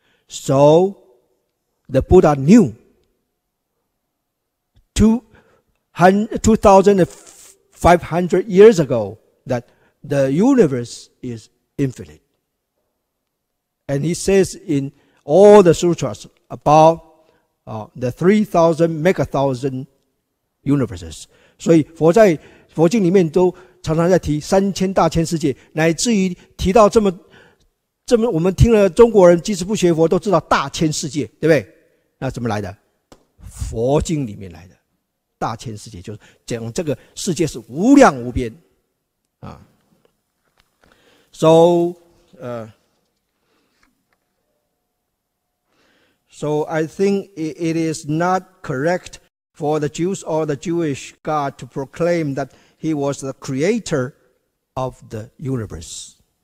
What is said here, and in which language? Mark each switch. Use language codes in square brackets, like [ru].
[en] So the Buddha knew 2,500 years ago that the universe is infinite. And he says in all the sutras about the 3,000 megathousand universes. [zh] 所以佛在佛经里面都常常在提三千大千世界，乃至于提到这么我们听了中国人即使不学佛都知道大千世界，对不对？那怎么来的？佛经里面来的。大千世界就是讲这个世界是无量无边啊。 [en] So I think it is not correct for the Jews or the Jewish God to proclaim thatHe was the creator of the universe.